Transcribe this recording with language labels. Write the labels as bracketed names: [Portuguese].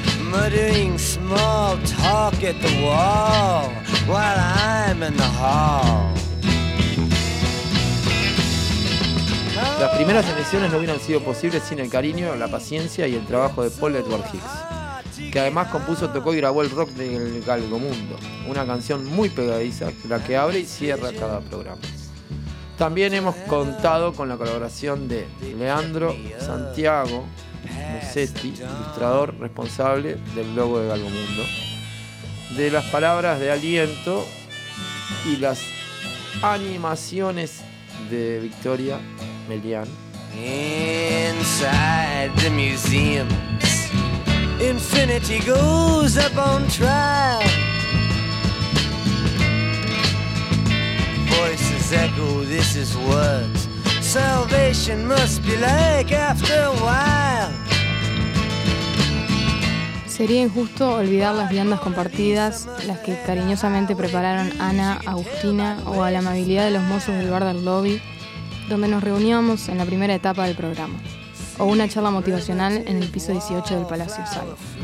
[English] Muttering small talk at the wall while I'm in the hall. [Spanish] Las primeras emisiones no hubieran sido posibles sin el cariño, la paciencia y el trabajo de Paul Edward Hicks, que además compuso, tocó y grabó el rock del Galgomundo, una canción muy pegadiza, la que abre y cierra cada programa. También hemos contado con la colaboración de Leandro Santiago Musetti, ilustrador responsable del logo de Galgomundo, de las palabras de aliento y las animaciones de Victoria Melián. [English] Inside the museums, infinity goes up on trial. Voices echo, this is what salvation must be like after a while. [Spanish] Sería injusto olvidar las viandas compartidas, las que cariñosamente prepararon Ana, Agustina, o a la amabilidad de los mozos del bar del lobby, donde nos reuníamos en la primera etapa del programa, o una charla motivacional en el piso 18 del Palacio Salvo.